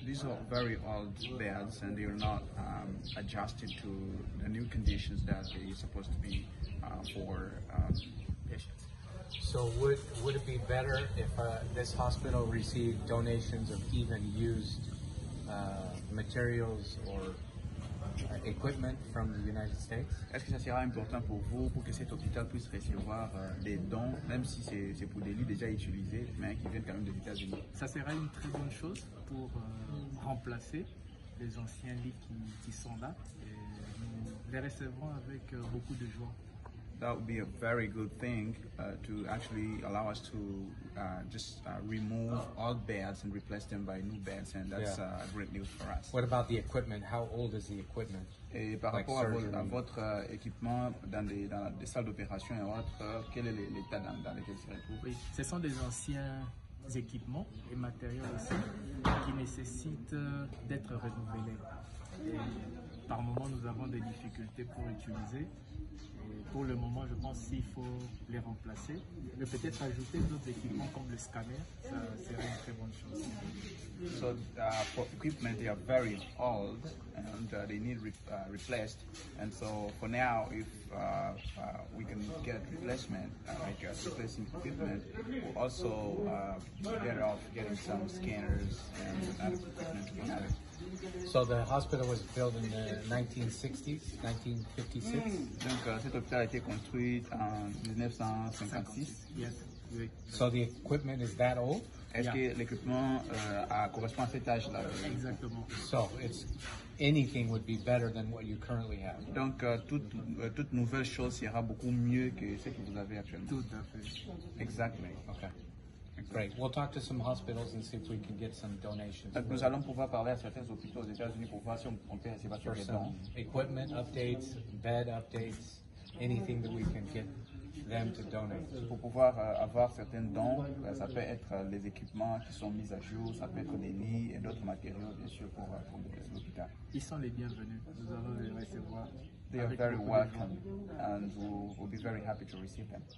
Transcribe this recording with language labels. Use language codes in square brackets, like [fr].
[en] These are very old beds and they are not adjusted to the new conditions that they are supposed to be for patients. So would it be better if this hospital received donations of even used materials or equipment from the United States? [fr] Est-ce que ça sera important pour vous pour que cet hôpital puisse recevoir des dons, même si c'est pour des lits déjà utilisés, mais qui viennent quand même des États-Unis? Ça sera une très bonne chose pour remplacer les anciens lits qui sont là. Et nous les recevrons avec beaucoup de joie. [en] That would be a very good thing to actually allow us to remove old beds and replace them by new beds, and that's great news for us. What about the equipment? How old is the equipment? [fr] Et par [en] like [fr] rapport surgery? À votre équipement dans des salles d'opération et autres, quel est l'état dans lequel il se trouve? Oui, ce sont des anciens équipements et matériels aussi qui nécessitent d'être renouvelés. Par moment, nous avons des difficultés pour utiliser. Pour le moment, je pense qu'il faut les remplacer. Mais peut-être ajouter d'autres équipements comme le scanner, ça serait une très bonne chose. [en] So, for equipment, they are very old and they need replaced. And so, for now, if we can get replacement, like replacing equipment, we'll also better off getting some scanners and other equipment to be added. So the hospital was built in the 1960s, 1956? [fr] Donc, cet hôpital a été construit en 1956. [en] Yes. So the equipment is that old? [fr] Est-ce que l'équipement correspond à cet âge-là? Exactement. [en] So it's anything would be better than what you currently have. [fr] Donc, toute nouvelle chose sera beaucoup mieux que ce que vous avez actuellement. Tout à fait. [en] Exactly. Okay. Great. We'll talk to some hospitals and see if we can get some donations. [fr] Donc nous allons pouvoir parler à certains hôpitaux aux États-Unis pour voir si on peut recevoir quelques dons. [en] Equipment updates, bed updates, anything that we can get them to donate. [fr] Pour pouvoir avoir certains dons, ça peut être les équipements qui sont mis à jour, ça peut être des lits et d'autres matériaux, bien sûr, pour l'hôpital. Ils sont les bienvenus. Nous allons les recevoir. [en] They are very welcome and we'll be very happy to receive them.